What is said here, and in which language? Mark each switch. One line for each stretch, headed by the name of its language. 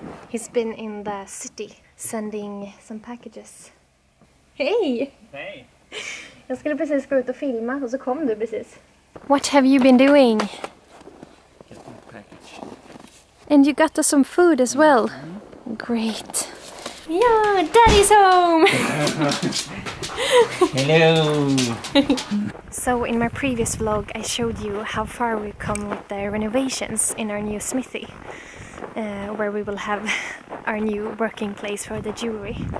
English: He's been in the city sending some packages. Hey! Hey!
Swedish: Jag skulle precis gå ut och filma och så kom du precis.
English: What have you been doing? Getting a package. And you got us some food as well. Mm-hmm. Great. Yeah, daddy's home! Hello! So in my previous vlog I showed you how far we've come with the renovations in our new smithy, where we will have our new working place for the jewelry.